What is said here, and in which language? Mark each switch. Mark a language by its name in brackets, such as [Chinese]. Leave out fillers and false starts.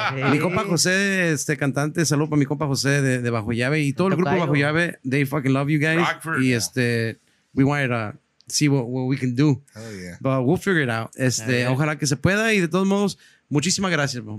[Spanish] Mi compa José, cantante, saludo para mi compa José de Bajo Llave y todo el grupo Bajo Llave. [English] They fucking love you guys. Rockford, we wanted to see what we can do. Yeah. But we'll figure it out. [Spanish] Ojalá que se pueda, y de todos modos, muchísimas gracias, bro.